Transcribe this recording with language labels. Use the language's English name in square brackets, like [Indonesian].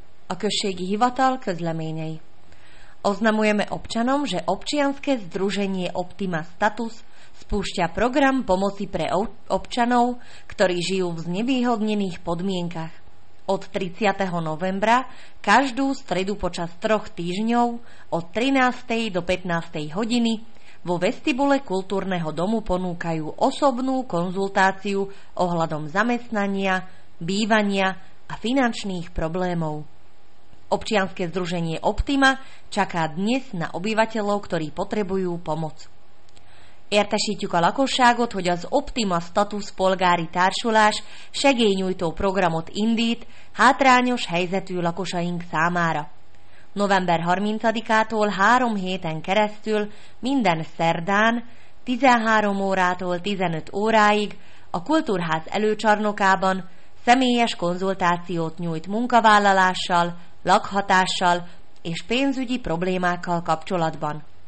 [Hungarian] A községi hivatal közleményei. [Slovak] Oznamujeme občanom, že občianske združenie Optima Status spúšťa program pomoci pre občanov, ktorí žijú v znevýhodnených podmienkach. Od 30. novembra každú stredu počas 3 týždňov od 13. do 15. hodiny vo vestibule kultúrneho domu ponúkajú osobnú konzultáciu ohľadom zamestnania, bývania a finančných problémov. Občianske združenie Optima čaká dnes na obyvateľov, ktorí potrebujú pomoc. [Hungarian] Értesítjük a lakosságot, hogy az Optima Status polgári társulás segélynyújtó programot indít hátrányos helyzetű lakosaink számára. November 30-ától 3 héten keresztül minden szerdán 13 órától 15 óráig a Kultúrház előcsarnokában személyes konzultációt nyújt munkavállalással, lakhatással és pénzügyi problémákkal kapcsolatban.